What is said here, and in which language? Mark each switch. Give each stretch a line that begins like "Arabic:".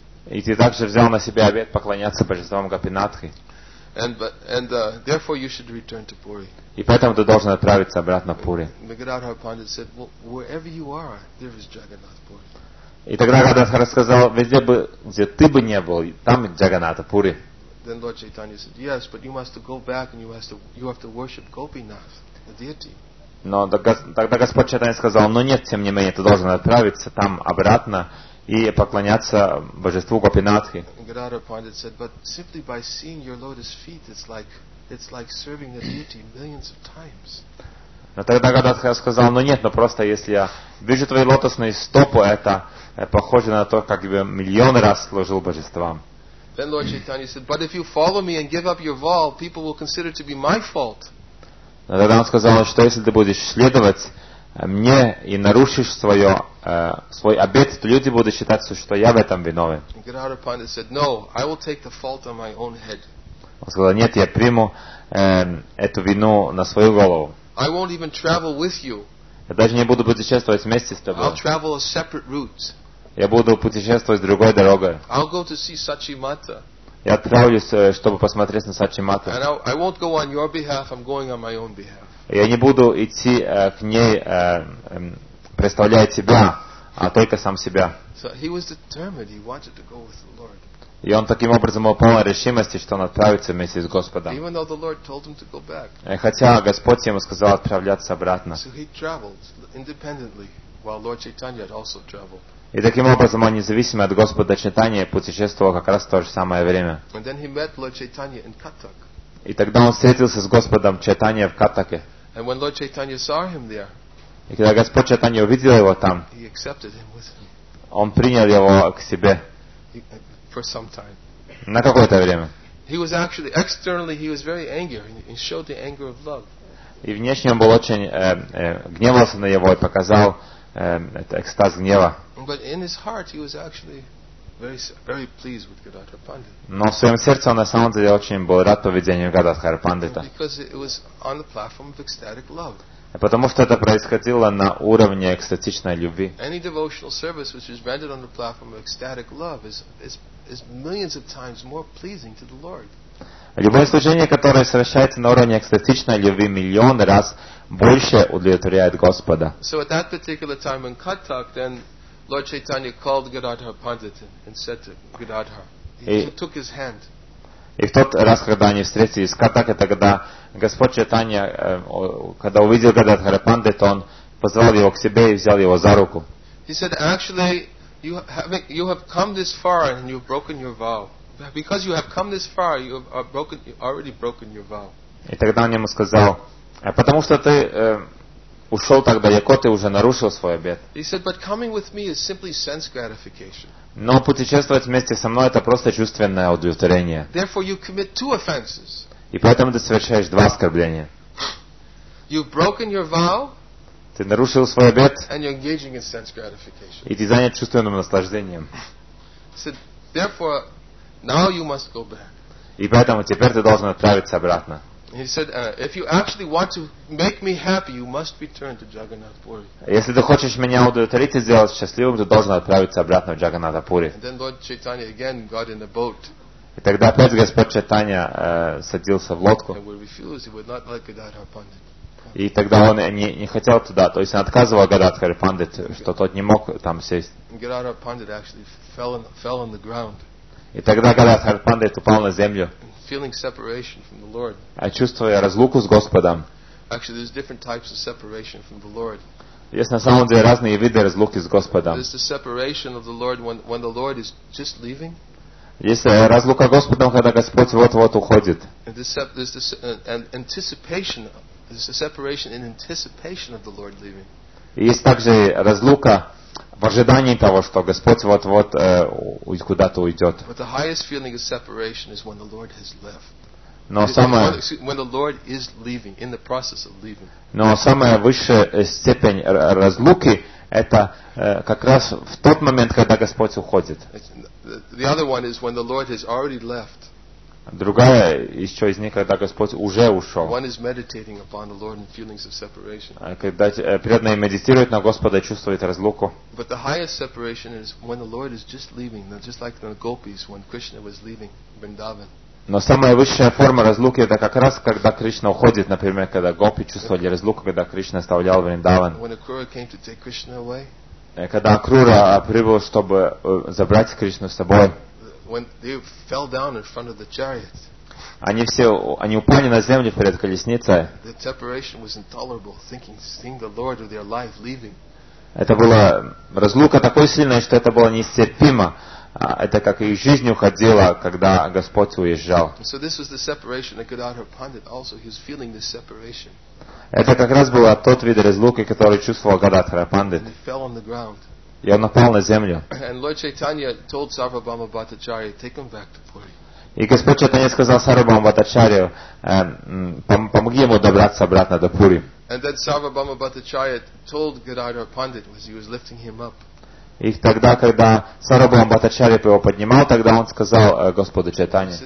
Russian: И ты также взял на себя обет поклоняться божествам Гопинатхи. И поэтому ты должен отправиться обратно в Пури. И Гададхар Пандит сказал, где ты есть, там Джаганнатха Пури. И тогда Гададхар сказал, везде бы, где ты бы не был, там Джаганнатха Пури.
English: Then Lord Chaitanya said, "Yes, but you must go back and you have to worship Gopinath, the deity."
Russian: Но тогда Господь Чайтанья сказал, "Но нет, тем не менее, ты должен отправиться там обратно и поклоняться божеству Гопинатхи."
English: Gadadhar Pandit said, "But simply by seeing your lotus feet, it's like serving the deity millions of times."
Russian: Но тогда Гададхар сказал, "Но нет, но просто если я вижу твои лотосные стопы, это похоже на то, как бы миллион раз служил божествам."
English: Then Lord Chaitanya said, "But if you follow me and give up your vow, people will consider it to be my fault."
Russian: Тогда он сказал, что если ты будешь следовать мне и нарушишь свой обет, то люди будут считать, что я в этом виновен.
English: Gadadhar Pandit said, "No, I will take the fault on my own head."
Russian: Он сказал, нет, я приму эту вину на свою голову.
English: I won't even travel with you.
Russian: Я даже не буду путешествовать вместе с тобой.
English: I'll travel a separate route.
Russian: Я буду путешествовать другой дорогой.
English: I'll go to see Sachimata.
Russian: Я отправлюсь, чтобы посмотреть на Сачимату.
English: I won't go on your behalf, I'm going on my own behalf.
Russian: Я не буду идти к ней, представляя тебя, а только сам себя.
English: So he was determined, he wanted to go with the Lord.
Russian: И он таким образом упал на решимости, что он отправится вместе с Господом.
English: Even though the Lord told him to go back.
Russian: Хотя Господь ему сказал отправляться обратно.
English: So he traveled independently, while Lord Chaitanya had also traveled.
Russian: И таким образом он, независимо от Господа Чайтаньи, путешествовал как раз в то же самое время.
English: And then he met Lord Chaitanya in Katak.
Russian: И тогда он встретился с Господом Чайтаньи в Катаке.
English: And when Lord Chaitanya saw him there,
Russian: и когда Господь Чайтаньи увидел его там,
English: he accepted him with him.
Russian: Он принял его к себе.
English: For some time.
Russian: На какое-то время.
English: He was actually, externally, he was very angry. He showed the anger of love.
Russian: И внешне он был очень гневался на его и показал это экстаз гнева.
English: But in his heart, he was actually very, very pleased with Gadadhar Pandit.
Russian: Но в своем сердце он на самом деле очень был рад поведению Гададхар Пандита.
English: Because it was on the platform of ecstatic love.
Russian: Потому что это происходило на уровне экстатичной любви.
English: Any devotional service which is rendered on the platform of ecstatic love is millions of times more pleasing to the Lord.
Russian: Любое служение, которое совершается на уровне экстатичной любви, миллион раз больше удовлетворяет Господа.
English: So at that particular time in Katak, then Lord Chaitanya called Gadadhar Pandit and said to Gadadhar, he took his hand.
Russian: И в тот раз, когда они встретились в Катаке, тогда Господь Чайтанья, когда увидел Гададхара Пандита, он позвал его к себе и взял его за руку.
English: He said, "Actually, you have come this far and you've broken your vow. Because you have come this far, you've already broken your vow."
Russian: И тогда он ему сказал, потому что ты ушел так далеко, ты уже нарушил свой обет.
English: He said, "But coming with me is simply sense gratification."
Russian: Но путешествовать вместе со мной это просто чувственное удовлетворение.
English: Therefore, you commit two offenses.
Russian: И поэтому ты совершаешь два оскорбления.
English: You've broken your vow.
Russian: Ты нарушил свой обет.
English: And you're engaging in sense gratification.
Russian: И ты занят чувственным наслаждением.
English: He said, "Therefore, now you must go back."
Russian: И поэтому теперь ты должен отправиться обратно.
English: He said, if you actually want to make me happy, you must return to Jagannath Puri.
Russian: Если ты хочешь меня удовлетворить и сделать счастливым, ты должен отправиться обратно в Джаганнатха Пури.
English: Then Lord Chaitanya again got in the boat.
Russian: И тогда опять Господь Чайтанья садился в лодку.
English: And we refused, he would not like Gadadhara Pandit.
Russian: И тогда он не хотел туда, то есть он отказывал Гададхара Пандит, что тот не мог там сесть.
English: Gadadhara Pandit actually fell on the ground.
Russian: И тогда Гададхара Пандит упал на землю.
English: Feeling separation from the Lord.
Russian: А чувствуя разлуку с Господом.
English: Actually, there's different types of separation from the Lord.
Russian: Есть на самом деле разные виды разлуки с Господом.
English: There's the separation of the Lord when the Lord is just leaving.
Russian: Есть разлука с Господом, когда Господь вот-вот уходит.
English: There's a separation in anticipation of the Lord leaving.
Russian: Есть также разлука в ожидании того, что Господь вот-вот куда-то уйдет.
English: But the highest feeling of separation is when the Lord has left.
Russian: Но самое
English: when the Lord is leaving, in the process of leaving.
Russian: Но самая высшая степень разлуки это как раз в тот момент, когда Господь уходит.
English: The other one is when the Lord has already left.
Russian: Другая еще из них, когда Господь уже ушел.
English: One is meditating upon the Lord and feelings of separation.
Russian: Когда преданный медитирует на Господа и чувствует разлуку.
English: But the highest separation is when the Lord is just leaving, just like the gopis when Krishna was leaving Vrindavan.
Russian: Но самая высшая форма разлуки это как раз когда Кришна уходит, например, когда гопи чувствовали разлуку, когда Кришна оставлял Вриндаван.
English: When Akrura came to take Krishna away.
Russian: Когда Акрура прибыл, чтобы забрать Кришну с собой.
English: When they fell down in front of the chariot.
Russian: Они упали на землю перед колесницей.
English: The separation was intolerable, seeing the Lord of their life leaving.
Russian: Это была разлука такой сильная, что это было нестерпимо. Это как их жизнь уходила, когда Господь уезжал.
English: So this was the separation of Gadadhara Pandit also. He was feeling this separation.
Russian: Это как раз было тот вид разлуки, который чувствовал Гададхара Пандит.
English: And he fell on the ground.
Russian: И он упал на землю.
English: And Lord Chaitanya told Sarvabhauma Bhattacharya, take him back to Puri.
Russian: И Господь Чайтанья сказал Сарвабхаума Бхаттачарье, помоги ему добраться обратно до Пури.
English: And then Sarvabhauma Bhattacharya told Gadadhara Pandit as he was lifting him up.
Russian: И тогда, когда Сарвабхаума Бхаттачарья его поднимал, тогда он сказал Господу Чайтанье.